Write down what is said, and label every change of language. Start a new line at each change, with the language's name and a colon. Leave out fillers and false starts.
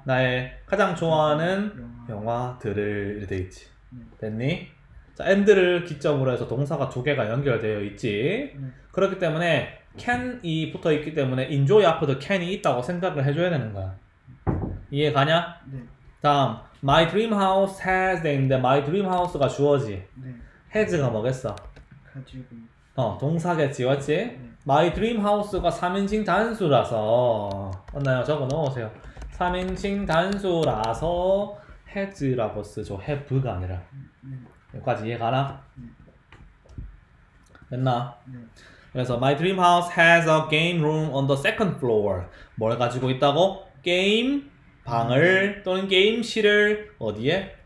Korean: 나의 가장 좋아하는 영화들을 이렇게 돼있지. 됐니? 자, and를 기점으로 해서 동사가 두 개가 연결되어 있지. 네. 그렇기 때문에 can이 붙어있기 때문에 enjoy 앞에도 can이 있다고 생각을 해줘야 되는 거야. 이해 가냐? 네. 다음 my dream house has 돼있는데 my dream house가 주어지. 네. has가 뭐겠어? 가지고. 동사겠지, 맞지? 네. My dream house가 3인칭 단수라서 맞나요? 적어 넣으세요. 3인칭 단수라서 has라고 쓰죠. have가 아니라. 네. 여기까지 이해가나? 네. 됐나? 네. 그래서
English: My dream house has a game room on the second floor.
Korean: 뭘 가지고 있다고? 게임 방을 또는 게임실을 어디에?